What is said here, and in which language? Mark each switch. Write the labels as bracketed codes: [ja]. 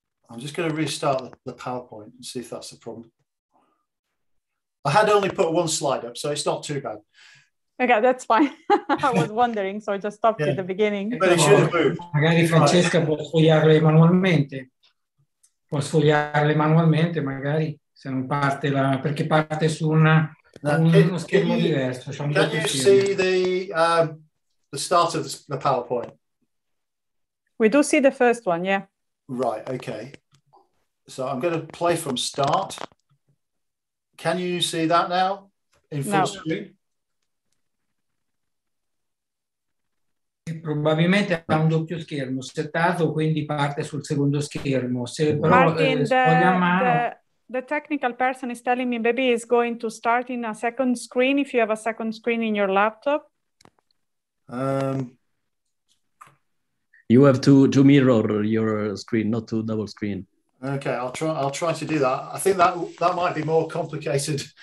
[en] I'm just going to restart the PowerPoint and see if that's the problem. I had only put one slide up, so it's not too bad. Okay, that's fine. I was wondering, so I just stopped at the beginning. But it should have moved. [it] Magari Francesca può sfogliarle manualmente. Può sfogliarle manualmente, magari, se non parte la... perché parte su una, uno schermo diverso. [en] Can you see the start of the PowerPoint? We do see the first one, yeah. Right, okay. So I'm going to play from start. Can you see that now in full screen? [it] Probabilmente ha un doppio schermo settato, quindi parte sul secondo schermo. Se però [en] Martin, the technical person is telling me maybe it's going to start in a second screen if you have a second screen in your laptop. You have to mirror your screen, not to double screen. Okay, I'll try to do that. I think that might be more complicated.